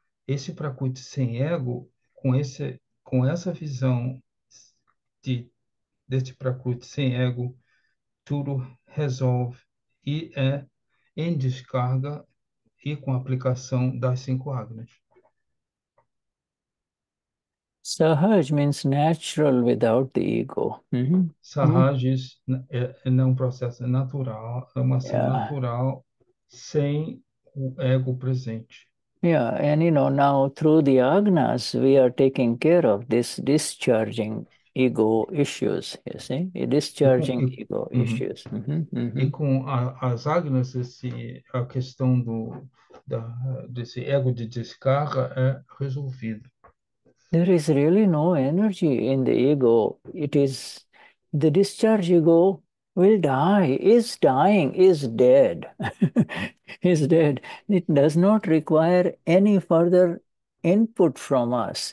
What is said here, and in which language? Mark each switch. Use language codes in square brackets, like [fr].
[pt] Esse prakruti sem ego, com essa visão deste prakruti sem ego, tudo resolve e é em descarga e com aplicação das cinco agnas. [en] Sahaj means natural without the ego. [pt] Sahaj é um processo natural, é uma ação natural sem o ego presente. [en] Yeah, and you know, now through the agnas, we are taking care of this discharging ego issues, you see? Discharging ego issues. [pt] E com as agnas, a questão desse ego de descarga é resolvida. [en] There is really no energy in the ego. It is the discharge ego will die, is dying, is dead, is dead. It does not require any further input from us.